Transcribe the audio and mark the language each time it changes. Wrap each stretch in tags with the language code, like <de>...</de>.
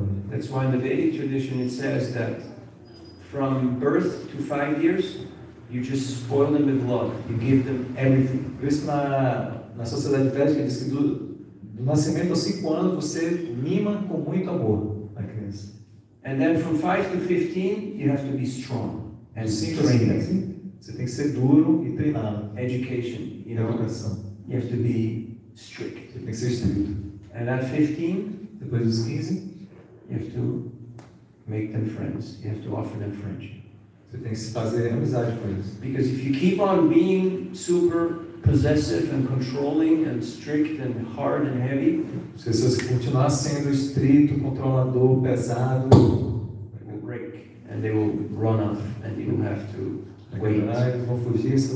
<en>That's why in the Vedic tradition it says that from birth to 5 years, you just spoil them with love. You give them everything.</en> <pt>Por isso na sociedade védica diz que do nascimento aos 5 anos você mima com muito amor a criança.</pt> <en>And then from 5 to 15, you have to be strong and trained.</en> <pt>Assim, você tem que ser duro e treinado.</pt> <en>Education, you know.</en> <pt>Educação.</pt> <en>You have to be strict.</en> <pt>Você tem que ser estricto.</pt> <en>And at 15,</en> <pt>depois dos 15,</pt> <en>you have to make them friends. You have to offer them friendship.</en> <pt>Você tem que se fazer amizade com eles.</pt> <en>Because if you keep on being super possessive and controlling and strict and hard and heavy,</en> <pt>se você continuar sendo estrito, controlador, pesado,</pt> <en>they will break and they will run off and you will have to</en> <pt>wait. Eles vão fugir, se</pt>